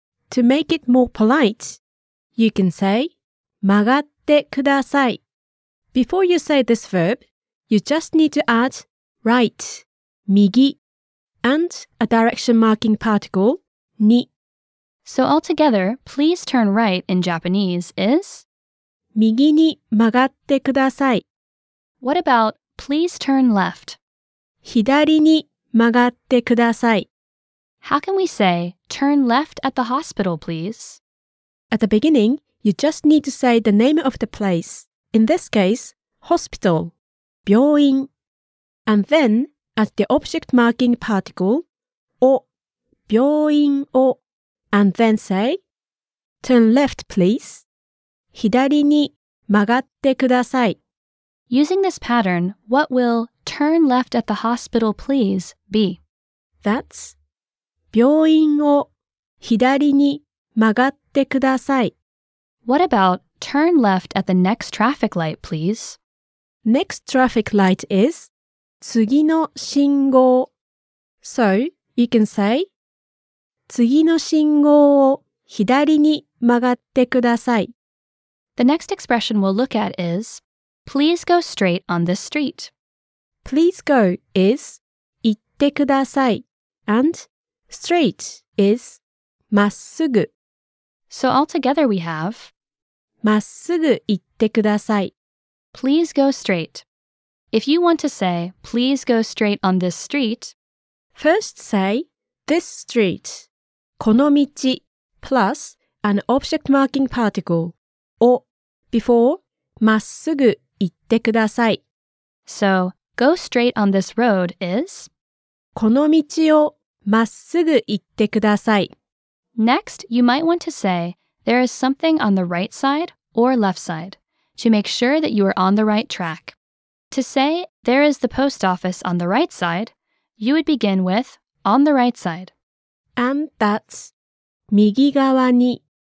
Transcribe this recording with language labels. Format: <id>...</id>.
<en>To make it more polite, you can say</en> <ja>曲がってください.</ja> <en>Before you say this verb, you just need to add right, 右, and a direction marking particle, に. So altogether, please turn right in Japanese is</en> <ja>右に曲がってください.</ja> <en>What about please turn left?</en> <ja>左に曲がってください.</ja> <en>How can we say turn left at the hospital, please? At the beginning, you just need to say the name of the place. In this case, hospital, 病院.And then add the object marking particle, お, 病院を. And then say, turn left, please.</en> <ja>左に曲がってください.</ja> <en>Using this pattern, what will turn left at the hospital, please, be?</en> <ja>That's 病院を左に曲がってください.</ja> <en>What about turn left at the next traffic light, please? Next traffic light is</en> <ja>次の信号.</ja> <en>So, you can say</en> <ja>次の信号を左に曲がってください.</ja> <en>The next expression we'll look at is please go straight on this street. Please go is</en> <ja>行ってください.</ja> <en>And straight is 真っすぐ. So altogether we have</en> <ja>真っすぐ行ってください.</ja> <en>Please go straight. If you want to say, please go straight on this street, first say, this street,</en> <ja>この道,</ja> <en>plus an object marking particle, お, before,</en> <ja>真っすぐ行ってください.</ja> <en>So, go straight on this road is,</en> <ja>この道を真っすぐ行ってください.</ja> <en>Next, you might want to say, there is something on the right side or left side, to make sure that you are on the right track. To say, there is the post office on the right side, you would begin with, on the right side. And that's</en> <ja>右側に.</ja>